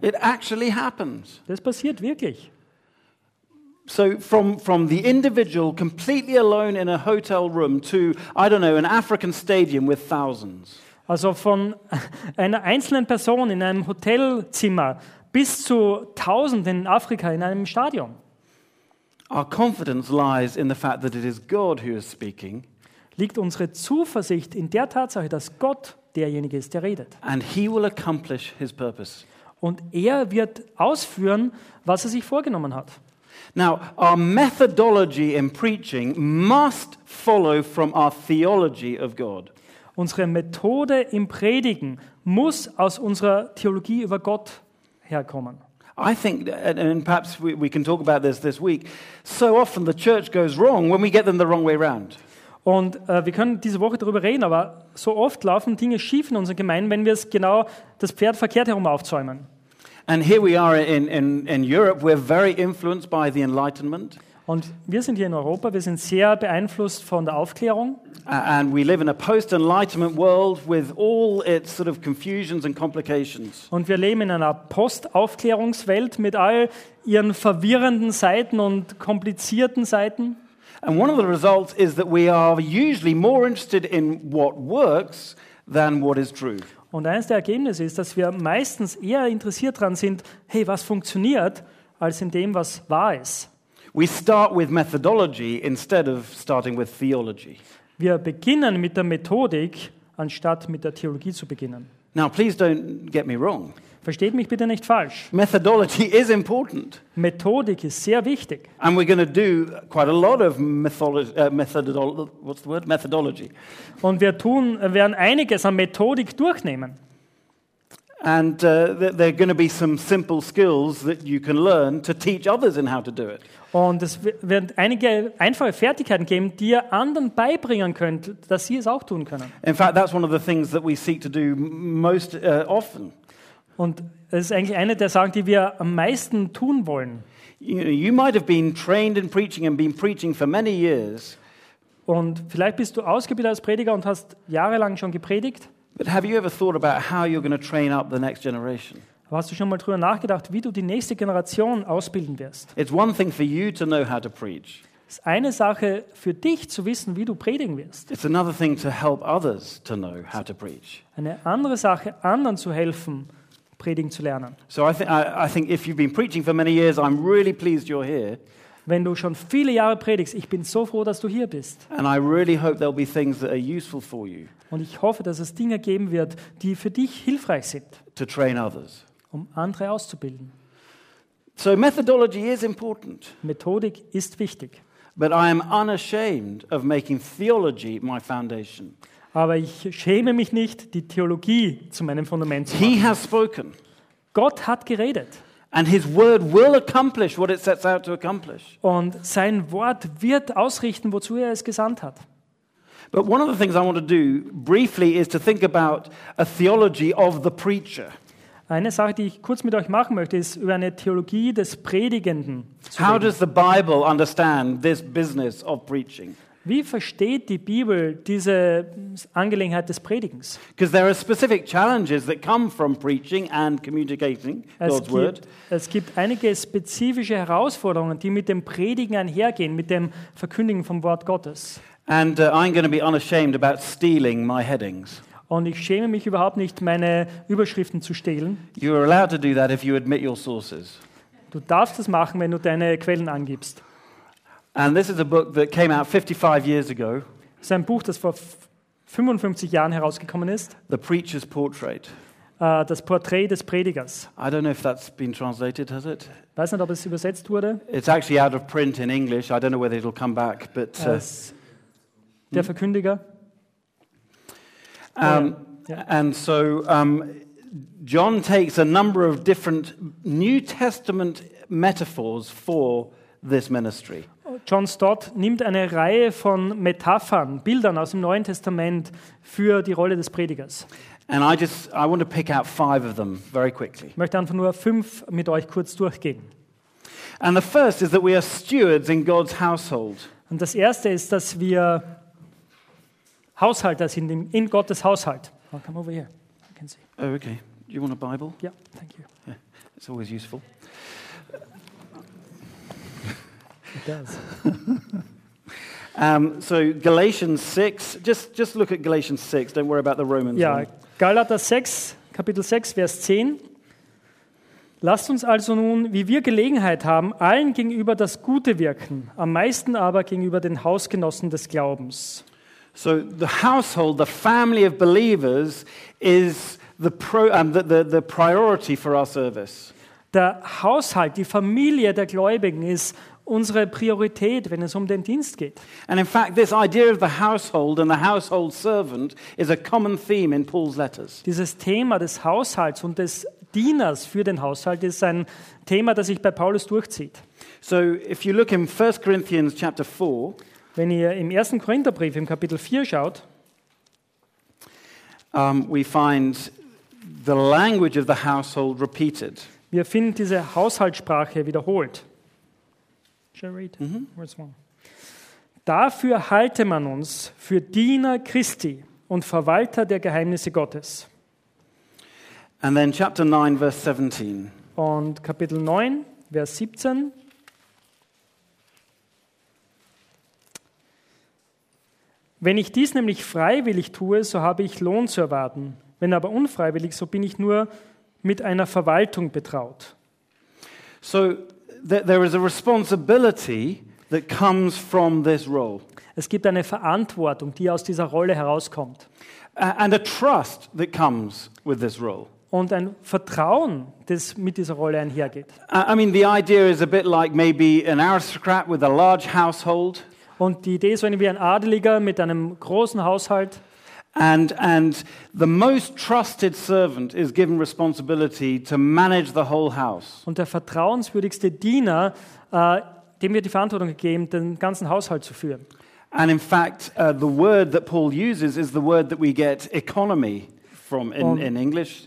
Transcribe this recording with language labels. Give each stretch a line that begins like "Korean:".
English: It actually happens.
German: Das passiert wirklich.
English: So from the individual completely alone in a hotel room to, I don't know, an African stadium with thousands.
German: Also von einer einzelnen Person in einem Hotelzimmer bis zu tausenden in Afrika in einem Stadion.
English: Our confidence lies in the fact that it is God who is speaking.
German: Liegt unsere Zuversicht in der Tatsache, dass Gott derjenige ist, der redet.
English: And he will accomplish his purpose.
German: Und er wird ausführen, was er sich vorgenommen hat.
English: Now, our methodology in preaching must follow from our theology of God.
German: Unsere Methode im Predigen muss aus unserer Theologie über Gott herkommen.
English: I think, and perhaps we can talk about this week, so often the church goes wrong when we get them the wrong way around.
German: Und wir können diese Woche darüber reden, aber so oft laufen Dinge schief in unseren Gemeinden, wenn wir es genau das Pferd verkehrt herum aufzäumen.
English: And here we are in Europe, we're very influenced by the Enlightenment.
German: Und wir sind hier in Europa, wir sind sehr beeinflusst von der Aufklärung.
English: And we live in a post-Enlightenment world with all its sort of confusions and complications.
German: Und wir leben in einer Post-Aufklärungswelt mit all ihren verwirrenden Seiten und komplizierten Seiten.
English: And one of the results is that we are usually more interested in what works than what is true.
German: Und eines der Ergebnisse ist, dass wir meistens eher interessiert daran sind, hey, was funktioniert, als in dem, was wahr ist.
English: We start with methodology instead of starting with theology.
German: Wir beginnen mit der Methodik, anstatt mit der Theologie zu beginnen.
English: Now, please don't get me wrong.
German: Versteht mich bitte nicht falsch.
English: Methodology is important.
German: Methodik ist sehr wichtig.
English: And we're going to do quite a lot of methodology.
German: Und wir werden einiges an Methodik durchnehmen.
English: And there are going to be some simple skills that you can learn to teach others in how to do it.
German: Und es werden einige einfache Fertigkeiten geben, die ihr anderen beibringen könnt, dass sie es auch tun können.
English: In fact, that's one of the things that we seek to do most often.
German: Und es ist eigentlich eine der Sachen, die wir am meisten tun wollen.
English: You might have been trained in preaching and been preaching for many years.
German: Und vielleicht bist du ausgebildet als Prediger und hast jahrelang schon gepredigt.
English: But have you ever thought about how you're going to train up the next generation?
German: Hast du schon mal drüber nachgedacht, wie du die nächste Generation ausbilden wirst?
English: It's one thing for you to know how to preach.
German: Es ist eine Sache für dich zu wissen, wie du predigen wirst.
English: It's another thing to help others to know how to preach.
German: Eine andere Sache, anderen zu helfen, predigen zu lernen.
English: So I think if you've been preaching for many years, I'm really pleased you're here.
German: Wenn du schon viele Jahre predigst, ich bin so froh, dass du hier bist.
English: And I really hope there'll be things that are useful for you.
German: Und ich hoffe, dass es Dinge geben wird, die für dich hilfreich sind.
English: To train others.
German: Um andere auszubilden.
English: So methodology is important.
German: Methodik ist wichtig.
English: But I am unashamed of making theology my foundation.
German: Aber ich schäme mich nicht, die Theologie zu meinem Fundament zu machen.
English: He has spoken.
German: Gott hat geredet.
English: And his word will accomplish what it sets out to accomplish.
German: Und sein Wort wird ausrichten, wozu er es gesandt hat.
English: But one of the things I want to do briefly is to think about a theology of the preacher.
German: Eine Sache, die ich kurz mit euch machen möchte, ist über eine Theologie des Predigenden.
English: How does the Bible understand this business of preaching?
German: Wie versteht die Bibel diese Angelegenheit des Predigens?
English: Because there are specific challenges that come from preaching and communicating God's word.
German: Es gibt einige spezifische Herausforderungen, die mit dem Predigen einhergehen, mit dem Verkündigen vom Wort Gottes.
English: And I'm going to be unashamed about stealing my headings.
German: Und ich schäme mich überhaupt nicht, meine Überschriften zu stehlen.
English: You are allowed to do that if you admit your sources.
German: Du darfst es machen, wenn du deine Quellen angibst.
English: And this is a book that came out 55 years ago.
German: Es ist ein Buch, das vor 55 Jahren herausgekommen ist.
English: The Preacher's Portrait.
German: Das Porträt des Predigers.
English: I don't know if that's been translated, has it?
German: Weiß nicht, ob es übersetzt wurde.
English: It's actually out of print in English. I don't know whether it'll come back, but.
German: Der Verkündiger.
English: And so John takes a number of different New Testament metaphors for this ministry.
German: John Stott nimmt eine Reihe von Metaphern, Bildern aus dem Neuen Testament für die Rolle des Predigers.
English: And I want to pick out five of them very quickly.
German: Ich möchte einfach nur fünf mit euch kurz durchgehen.
English: And the first is that we are stewards in God's household.
German: Und das erste ist, dass wir Haushalter sind in Gottes Haushalt.
English: I'll come over here. I can see. Oh, okay. Do you want a Bible? Yeah, thank you. Yeah, it's always useful. It does. So Galatians 6. Just look at Galatians 6. Don't worry about the Romans.
German: Yeah, Galater 6, Kapitel 6, Vers 10. Lasst uns also nun, wie wir Gelegenheit haben, allen gegenüber das Gute wirken, am meisten aber gegenüber den Hausgenossen des Glaubens.
English: So the household, the family of believers, is the priority for our service.
German: Der Haushalt, die Familie der Gläubigen, ist unsere Priorität, wenn es um den Dienst geht.
English: And in fact, this idea of the household and the household servant is a common theme in Paul's letters.
German: Dieses Thema des Haushalts und des Dieners für den Haushalt ist ein Thema, das sich bei Paulus durchzieht.
English: So if you look in 1 Corinthians chapter 4,
German: wenn ihr im 1. Korintherbrief im Kapitel 4 schaut,
English: we find the language of the household repeated.
German: Wir finden diese Haushaltssprache wiederholt.
English: Shall I read? Mm-hmm.
German: Dafür halte man uns für Diener Christi und Verwalter der Geheimnisse Gottes.
English: And then chapter 9, verse 17.
German: Und Kapitel 9, Vers 17. Wenn ich dies nämlich freiwillig tue, so habe ich Lohn zu erwarten. Wenn aber unfreiwillig, so bin ich nur mit einer Verwaltung betraut.
English: So there is a responsibility that comes from this role.
German: Es gibt eine Verantwortung, die aus dieser Rolle herauskommt.
English: And a trust that comes with this role.
German: Und ein Vertrauen, das mit dieser Rolle einhergeht.
English: I mean, the idea is a bit like maybe an aristocrat with a large household.
German: Und die Idee ist, wenn wir ein Adeliger mit einem großen Haushalt.
English: And the most trusted servant is given responsibility to manage the whole house.
German: Und der vertrauenswürdigste Diener, dem wird die Verantwortung gegeben, den ganzen Haushalt zu führen.
English: And in fact, the word that Paul uses is the word that we get economy from in English.